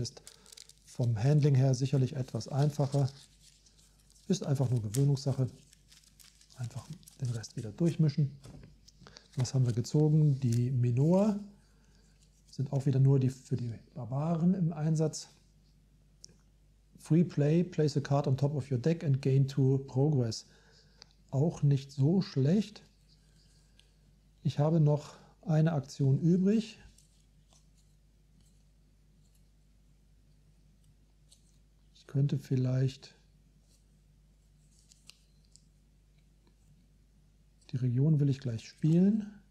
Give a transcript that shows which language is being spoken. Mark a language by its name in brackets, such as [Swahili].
[German] Ist vom Handling her sicherlich etwas einfacher. Ist einfach nur Gewöhnungssache. Einfach den Rest wieder durchmischen. Was haben wir gezogen? Die Minoa sind auch wieder nur für die Barbaren im Einsatz. [English] Free play, place a card on top of your deck and gain 2 progress. [German] Auch nicht so schlecht. Ich habe noch eine Aktion übrig. Ich könnte vielleicht die Region will ich gleich spielen.